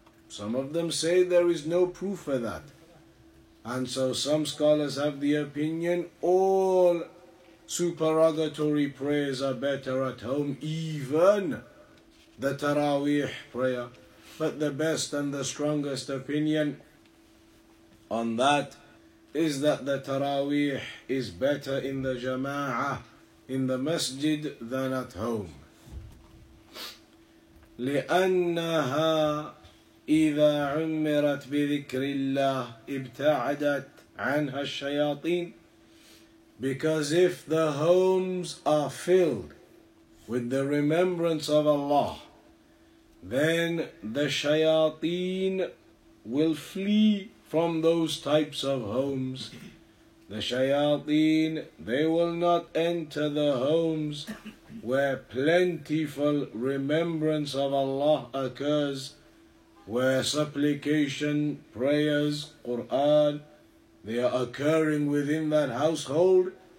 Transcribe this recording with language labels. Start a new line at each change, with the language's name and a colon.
English: Some of them say there is no proof for that. And so some scholars have the opinion all supererogatory prayers are better at home, even the Taraweeh prayer. But the best and the strongest opinion on that is that the Taraweeh is better in the Jama'ah, in the Masjid, than at home.
Arabic: لأنها إذا عمرت بذكر الله ابتعدت عنها الشياطين.
English: Because if the homes are filled with the remembrance of Allah, then the shayateen will flee from those types of homes. The shayateen, they will not enter the homes where plentiful remembrance of Allah occurs, where supplication, prayers, Quran, they are occurring within that household.